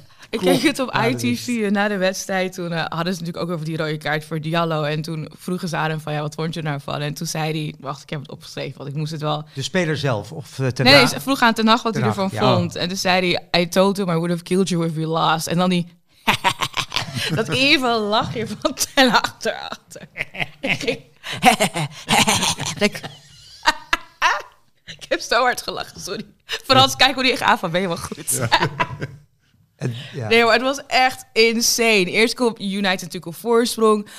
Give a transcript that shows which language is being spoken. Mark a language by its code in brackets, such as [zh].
[nl] Ik keek het op ITV na de wedstrijd. Toen hadden ze natuurlijk ook over die rode kaart voor Diallo. En toen vroegen ze aan hem van, ja, wat vond je nou van? En toen zei hij, wacht, ik heb het opgeschreven, want ik moest het wel... De speler zelf of Ten Hag? Nee, ze vroeg aan Ten Hag wat hij ervan vond. En toen zei hij, [en] I told him I would have killed you if we lost. [nl] En dan die... dat even lachje van Ten Hag erachter. Ik heb zo hard gelachen, sorry. Vooral als kijk hoe die echt aan van, ben je wel goed? Nee, maar het was echt insane. Eerst komt United natuurlijk op voorsprong.